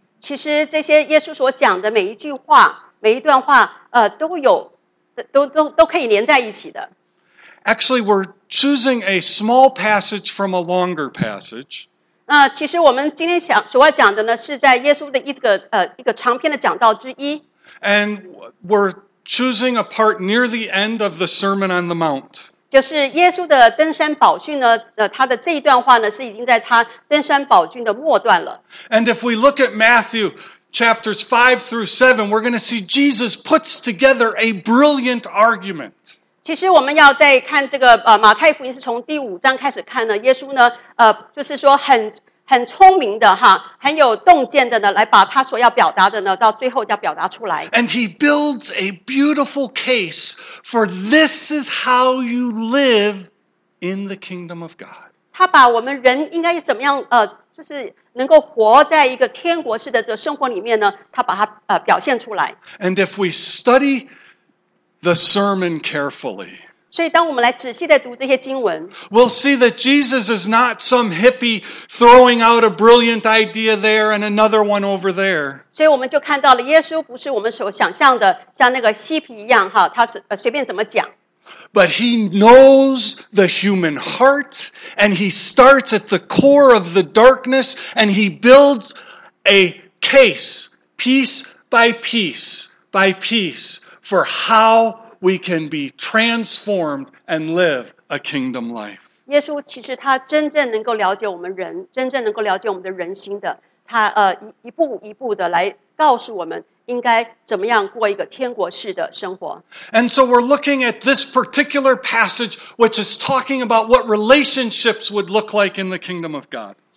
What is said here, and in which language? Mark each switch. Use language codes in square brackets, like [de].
[zh] 其实这些耶稣所讲的每一句话，每一段话，都可以连在一起的。 [en] Actually, we're choosing a small passage from a longer passage. [zh] 其实我们今天所要讲的呢，是在耶稣的一个长篇的讲道之一。 [en] And we're choosing a part near the end of the Sermon on the Mount. [zh] 就是耶稣的登山宝训呢，他的这一段话呢，是已经在他登山宝训的末段了。 [en] And if we look at Matthew chapters 5-7, we're going to see Jesus puts together a brilliant argument. [zh] 其实我们要再看这个马太福音是从第五章开始看呢，耶稣呢，就是说很聪明的哈，很有洞见的呢，来把他所要表达的呢，到最后要表达出来。 [en] And he builds a beautiful case for this is how you live in the kingdom of God. [zh] 他把我们人应该怎么样就是能够活在一个天国式的这生活里面呢，他把它表现出来。 [en] And if we study the sermon carefully, [zh] 所以当我们来仔细地读这些经文 [en] we'll see that Jesus is not some hippie throwing out a brilliant idea there and another one over there. [zh] 所以我们就看到了耶稣不是我们所想象的像那个嬉皮一样他随便怎么讲。 [en] But he knows the human heart, and he starts at the core of the darkness, and he builds a case, piece by piece by piece, for how we can be transformed and live a kingdom life. [zh] 耶稣其实他真正能够了解我们人，真正能够了解我们的人心的，他一步一步的来告诉我们，应该怎么样过一个天国式的生活。 [en] And so we're looking at this particular passage, which is talking about what relationships would look like in the kingdom of God.